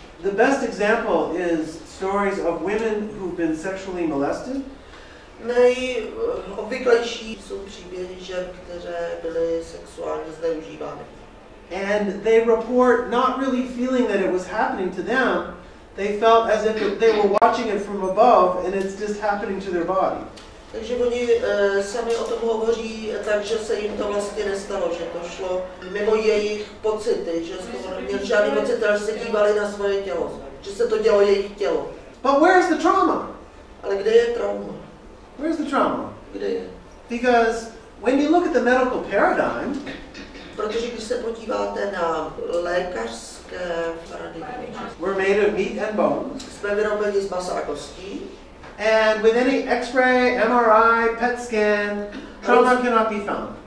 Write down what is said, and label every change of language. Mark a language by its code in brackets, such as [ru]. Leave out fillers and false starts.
[en] The best example is stories of women who've been sexually molested. [cs] Nejobvyklejší jsou příběhy žen, které byly sexuálně zneužívány. [en] And they report not really feeling that it was happening to them. They felt as if they were watching it from above and it's just happening to their body. [cs] Takže oni sami o tom hovoří, takže se jim to vlastně nestalo, že to šlo mimo jejich pocity, že z toho neměl žádný pocit, ale se dívali na svoje tělo, že se to dělo jejich tělo. [en] But where is the trauma? [cs] Ale kde je trauma? [en] Where is the trauma? [cs] Kde je? [en] Because when you look at the medical paradigm, [cs] protože když se podíváte na lékařské paradigmy, [en] we're made of meat and bones. [cs] Jsme vyrobeni z masa a kostí. [en] And with any X-ray, MRI, PET scan, trauma cannot be found.